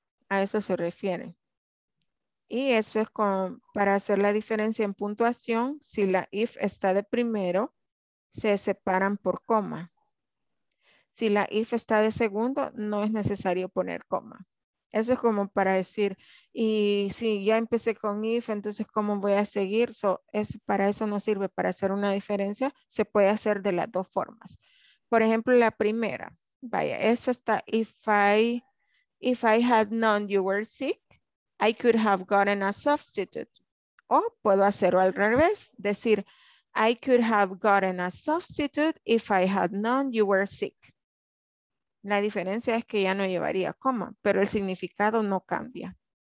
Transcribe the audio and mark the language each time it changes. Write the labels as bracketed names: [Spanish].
[Spanish] A eso se refiere. Y eso es con, para hacer la diferencia en puntuación, si la if está de primero, se separan por coma. Si la if está de segundo, no es necesario poner coma. Eso es como para decir, y si ya empecé con if, entonces ¿cómo voy a seguir? So, es, para eso no sirve, para hacer una diferencia, se puede hacer de las dos formas. Por ejemplo, la primera, vaya, esa está, [English] if I had known you were sick, I could have gotten a substitute. [Spanish] O puedo hacerlo al revés, decir, [English] I could have gotten a substitute if I had known you were sick. [Spanish] La diferencia es que ya no llevaría coma, pero el significado no cambia.